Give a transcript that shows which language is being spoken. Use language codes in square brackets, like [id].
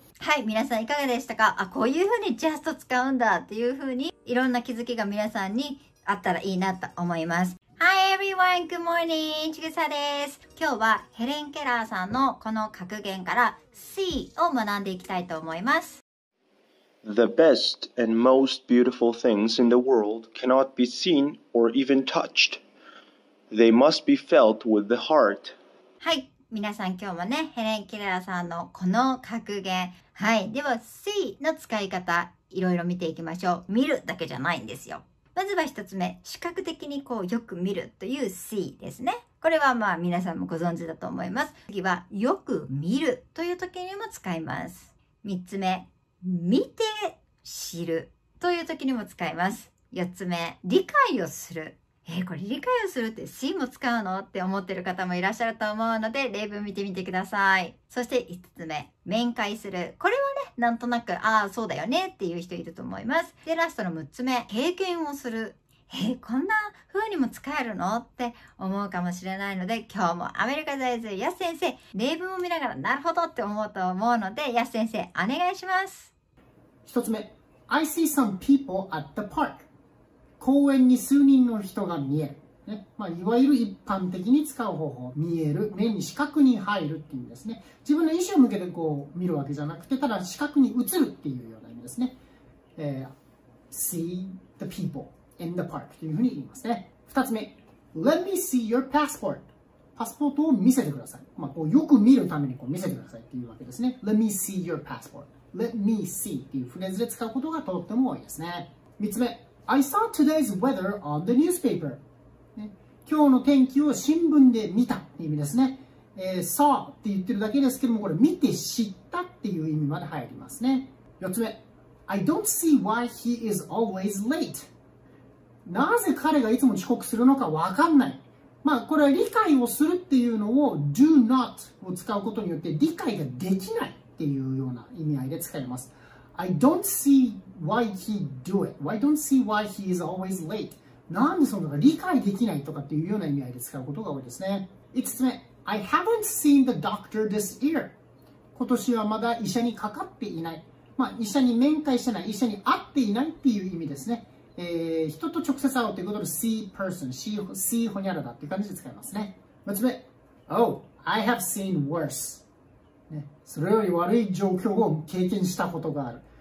[ja] はい、皆さんいかがでしたか？あ、こういうふうに just 使うんだっていうふうに、いろんな気づきが皆さんにあったらいいなと思います。 [en] Hi everyone! Good morning! [ja] ちぐさです。今日はヘレン・ケラーさんのこの格言から See を学んでいきたいと思います。 [en] The best and most beautiful things in the world cannot be seen or even touched. They must be felt with the heart. [ja] はい、皆さん今日もね、ヘレン・ケラーさんのこの格言。はい、では See の使い方、いろいろ見ていきましょう。見るだけじゃないんですよ。まずは一つ目、視覚的にこうよく見るという See ですね。これはまあ皆さんもご存知だと思います。次はよく見るという時にも使います。三つ目、見て知るという時にも使います。四つ目、理解をする。これ理解をするって See も使うのって思ってる方もいらっしゃると思うので、例文見てみてください。そして五つ目、面会する。これはなんとなく、ああそうだよねっていう人いると思います。でラストの6つ目、経験をする。こんな風にも使えるのって思うかもしれないので、今日もアメリカ在住ヤス先生、例文を見ながらなるほどって思うと思うので、ヤス先生お願いします。 [en] 1つ目、 I see some people at the park。 [ja] 公園に数人の人が見える、ね、まあ、いわゆる一般的に使う方法、見える、目に視覚に入るっていうんですね。自分の意思を向けてこう見るわけじゃなくて、ただ視覚に映るっていうような意味ですね。 [en] See the people in the park [ja] というふうに言いますね。 [en] 2つ目、 Let me see your passport。 [ja] パスポートを見せてください、まあ、こうよく見るためにこう見せてくださいっていうわけですね。 [en] Let me see your passport。 Let me see [ja] っていうフレーズで使うことがとっても多いですね。 [en] 3つ目、 I saw today's weather on the newspaper。 [ja] 今日の天気を新聞で見たっていう意味ですね。saw って言ってるだけですけども、これ見て知ったっていう意味まで入りますね。 [en] 4つ目、 I don't see why he is always late。 [ja] なぜ彼がいつも遅刻するのかわかんない。まあこれは理解をするっていうのを do not を使うことによって、理解ができないっていうような意味合いで使います。 [en] I don't see why he do it。 I don't see why he is always late。 [ja] なんでそんなのか理解できないとかっていうような意味合いで使うことが多いですね。 [en] 5つ目、 I haven't seen the doctor this year。 [ja] 今年はまだ医者にかかっていない、まあ、医者に面会してない、医者に会っていないっていう意味ですね。人と直接会うということで see person、 see ほにゃらだっていう感じで使いますね。 6つ目、 [en] Oh, I have seen worse、 [ja] ね、それより悪い状況を経験したことがある。